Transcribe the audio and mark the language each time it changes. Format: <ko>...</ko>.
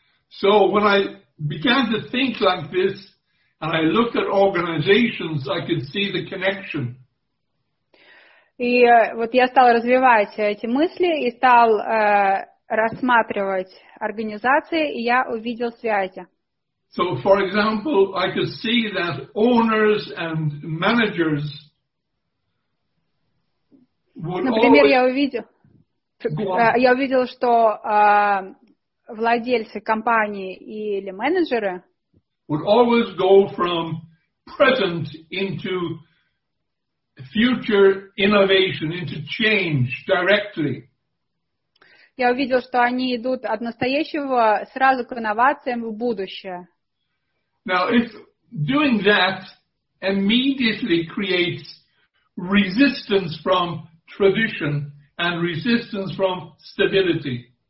<en>So when I began to think like this, and I looked at organizations, I could see the connection.</en> <ru>И вот я стал развивать эти мысли и стал рассматривать организации, и я увидел связи.</ru> <en>So, for example, I could see that owners and managers would</en> <ru>Например,</ru> <en>always...</en> <ru>я увидел, что владельцы компании или менеджеры</ru> <en>would always go from present into future innovation, into change directly.</en> <ru>Я увидел, что они идут от настоящего сразу к инновациям в будущее.</ru> <en>Now, if doing that immediately creates resistance from tradition and resistance from stability.</en>